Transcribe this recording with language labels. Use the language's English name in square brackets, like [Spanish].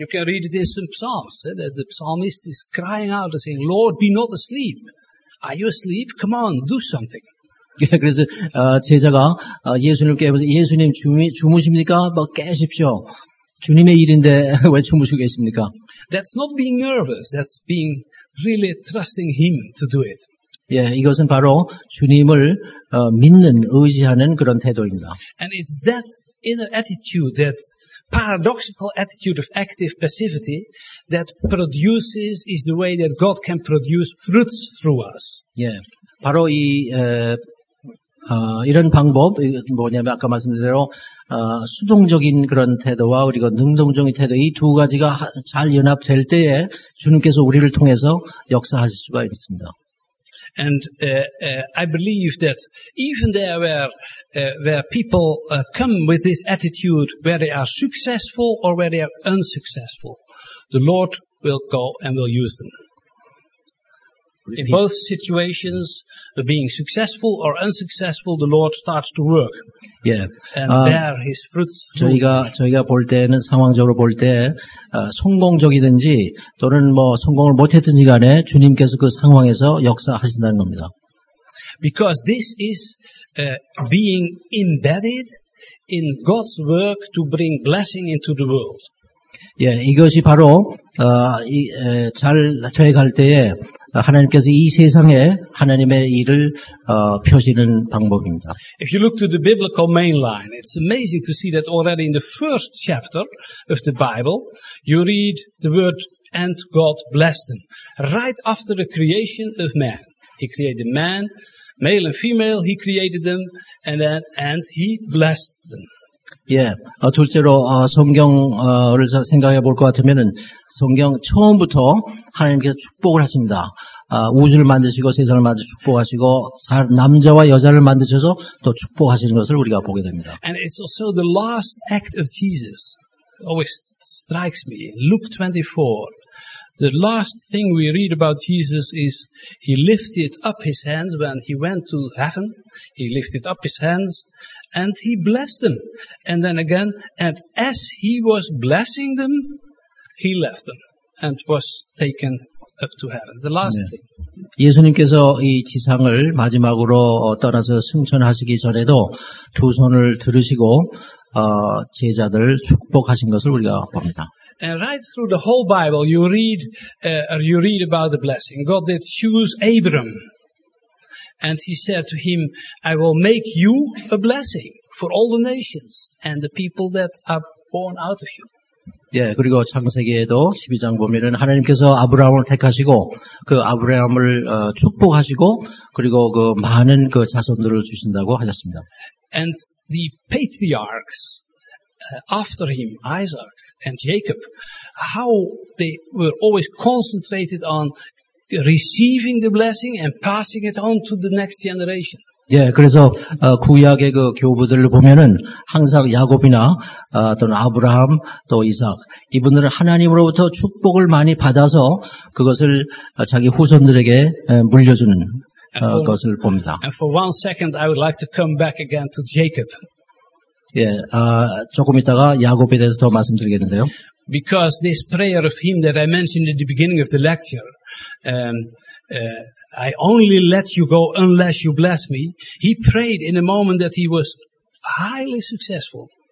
[English] You can read it in some psalms that the psalmist is crying out and saying, Lord, be not asleep. Are you asleep? Come on, do something. [Korean] 그래서 제자가 예수님을 깨워서 예수님 주무십니까? 뭐 깨십시오. 주님의 일인데 왜 주무시고 계십니까? [English] That's not being nervous. That's being really trusting Him to do it. [Korean] 예, 이것은 바로 주님을 믿는 의지하는 그런 태도입니다. [English] And it's that inner attitude, that paradoxical attitude of active passivity that produces is the way that God can produce fruits through us. [Korean] 예, 바로 이 이런 방법 뭐냐면 아까 말씀드린 대로 수동적인 그런 태도와 우리가 능동적인 태도 이 두 가지가 잘 연합될 때에 주님께서 우리를 통해서 역사하실 수가 있습니다. [English] And I believe that even there where people come with this attitude, where they are successful or where they are unsuccessful, the Lord will go and will use them. In both situations, being successful or unsuccessful, the Lord starts to work. Yeah. And bear His fruits. [Korean] 저희가 볼 때는 상황적으로 볼 때 성공적이든지 또는 뭐 성공을 못했든지 간에 주님께서 그 상황에서 역사하신다는 겁니다. [English] Because this is being embedded in God's work to bring blessing into the world. [Korean] 예, 이것이 바로 잘 돼갈 때에 하나님께서 이 세상에 하나님의 일을 표시하는 방법입니다. [English] If you look to the biblical mainline, it's amazing to see that already in the first chapter of the Bible, you read the word "and God blessed them." Right after the creation of man, He created man, male and female, He created them, and then and He blessed them. [Korean] 예, 둘째로 성경을 생각해 볼 것 같으면은 성경 처음부터 하나님께서 축복을 하십니다. 우주를 만드시고 세상을 만드시고 축복하시고 남자와 여자를 만드셔서 또 축복하시는 것을 우리가 보게 됩니다. [English] And it's also the last act of Jesus. It always strikes me. Luke 24. The last thing we read about Jesus is he lifted up his hands when he went to heaven. He lifted up his hands and he blessed them. And then again, and as he was blessing them, he left them and was taken up to heaven. The last [Korean] 네. [English] thing. [Korean] 예수님께서 이 지상을 마지막으로 떠나서 승천하시기 전에도 두 손을 들으시고 제자들 축복하신 것을 우리가 봅니다. [English] And right through the whole Bible, you read about the blessing. God did choose Abram. And he said to him, I will make you a blessing for all the nations and the people that are born out of you. [Korean] 예, 그리고 창세기에도 12장 보면은 하나님께서 아브라함을 택하시고 그 아브라함을 축복하시고 그리고 그 많은 그 자손들을 주신다고 하셨습니다. [English] And the patriarchs after him, Isaac, and Jacob, how they were always concentrated on receiving the blessing and passing it on to the next generation. [Korean] 예, 그래서 구약의 그 교부들을 보면은 항상 야곱이나 또는 아브라함 또 이삭 이분들은 하나님으로부터 축복을 많이 받아서 그것을 자기 후손들에게 물려주는 것을 봅니다. [English] And for one second, I would like to come back again to Jacob. [Korean] 예, 조금 있다가 야곱에 대해서 더 말씀드리겠는데요. [English] Because this prayer of him that I mentioned at the beginning of the lecture, I only let you go unless you bless me. He prayed in a moment that he was highly successful.